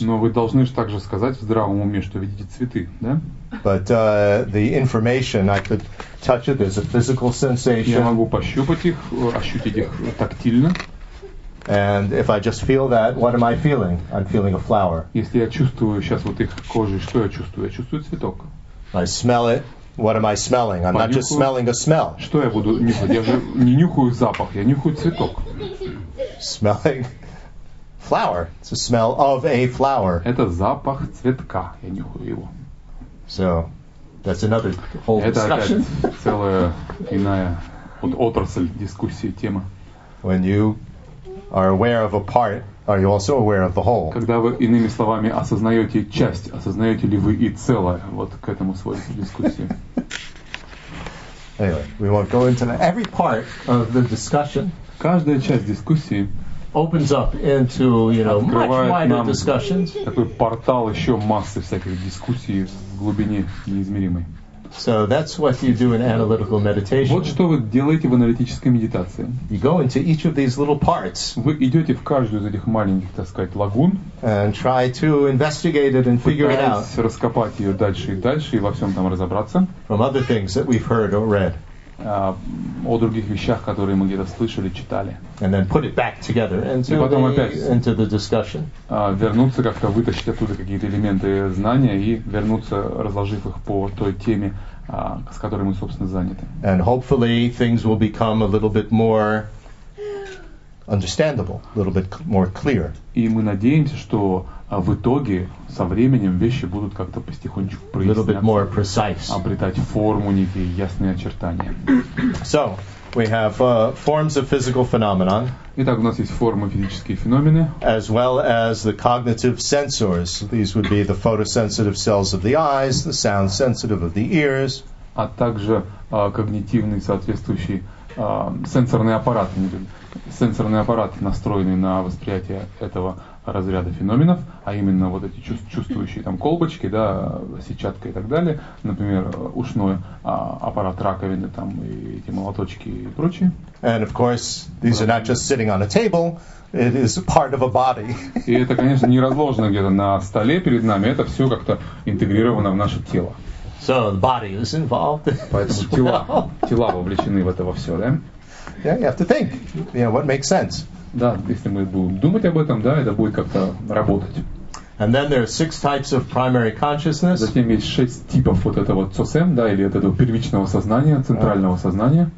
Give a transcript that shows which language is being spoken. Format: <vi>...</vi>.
<ru>Но вы должны же также сказать в здравом уме, что видите цветы, да?</ru> <en>But the information, I could touch it, there's a physical sensation.</en> <ru>Я могу пощупать их, ощутить их тактильно.</ru> <en>And if I just feel that, what am I feeling? I'm feeling a flower.</en> <ru>Если я чувствую сейчас вот их кожей, что я чувствую? Я чувствую цветок.</ru> <en>I smell it. What am I smelling? I'm not just smelling a smell.</en> <ru>Что я буду нюхать? Я же не нюхаю запах, я нюхаю цветок.</ru> <en>Smelling flower. It's a smell of a flower.</en> <ru>Это запах цветка. Я нюхаю его.</ru> <en>So, that's another whole</en> <ru>это</ru> <en>discussion.</en> <ru>Это опять целая иная вот отрасль дискуссии, тема.</ru> <en>When you are aware of a part, are you also aware of the whole?</en> <ru>Когда вы, иными словами, осознаете часть, осознаете ли вы и целое? Вот к этому сводится дискуссия.</ru> <en>Anyway, we won't go into that. Every part of the discussion.</en> <ru>Каждая часть дискуссии</ru> <en>opens up into, you know, much wider discussions.</en> <ru>Такой портал еще массы всяких дискуссий в глубине неизмеримой.</ru> <en>So that's what you do in analytical meditation.</en> <ru>Вот что вы делаете в аналитической медитации.</ru> <en>You go into each of these little parts.</en> <ru>Вы идете в каждую из этих маленьких, так сказать, лагун.</ru> <en>And try to investigate it and figure it out.</en> <ru>Пытаясь раскопать ее дальше и дальше и во всем там разобраться.</ru> <en>From other things that we've heard or read.</en> <ru>О других вещах, которые мы где-то слышали, читали.</ru> <en>And then put it back together into the discussion.</en> <ru>Вернуться как-то, вытащить оттуда какие-то элементы знания и вернуться, разложив их по той теме, с которой мы, собственно, заняты.</ru> <en>And hopefully things will become a little bit more understandable, a little bit more clear.</en> <ru>И мы надеемся, что в итоге, со временем, вещи будут как-то потихонечку проясняться, обретать форму, некие ясные очертания.</ru> <en>So, we have forms of physical phenomena.</en> <ru>Итак, у нас есть формы, физические феномены.</ru> <en>As well as the cognitive sensors. These would be the photosensitive cells of the eyes, the sound sensitive of the ears.</en> <ru>А также когнитивный соответствующий сенсорный аппарат, сенсорный аппарат, настроенный на восприятие этого разряда феноменов, а именно вот эти чувствующие там колбочки, да, сетчатка и так далее, например, ушной аппарат раковины там и эти молоточки и прочее.</ru> <en>And of course, these are not just sitting on a table. It is part of a body.</en> <ru>И это, конечно, не разложено где-то на столе перед нами. Это все как-то интегрировано в наше тело.</ru> <en>So the body is involved.</en> <ru>Поэтому тела вовлечены в это во все, да?</ru> <en>Yeah, you have to think. You know, what makes sense?</en> <ru>Да, если мы будем думать об этом, да, это будет как-то работать.</ru> <en>And then there are six types of primary consciousness.</en> <ru>Затем есть шесть типов вот этого цосем, да, или этого первичного сознания, центрального сознания.</ru>